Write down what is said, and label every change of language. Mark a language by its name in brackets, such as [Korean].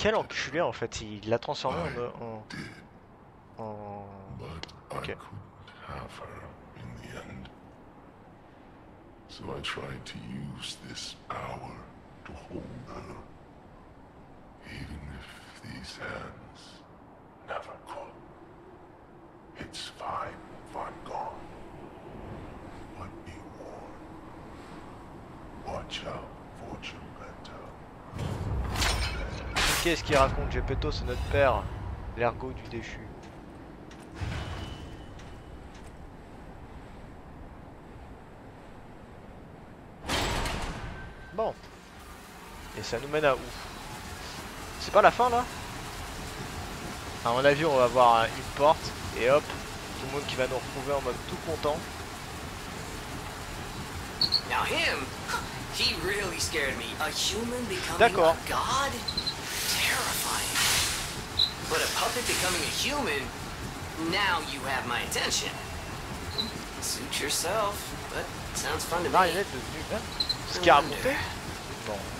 [French] Quel enculé en fait, il l'a transformé en. [English] But okay. I couldn't have her in the end. So I tried to use this hour to hold her, even if these hands never could. It's fine if I'm gone, but be warned. Watch out for Geppetto. [French] Qu'est-ce qu'il raconte? Geppetto, c'est notre père, l'ergo du déchu. Bon, et ça nous mène à où? C'est pas la fin là? A mon avis, on va avoir une porte et hop, tout le monde qui va nous retrouver en mode tout content. [English] Now him, [French] D'accord. [English] But a puppet becoming a human, now you have my attention. Suit yourself, but sounds fun to me. [French] Marionnette devenue, hein? Scarabée. Bon.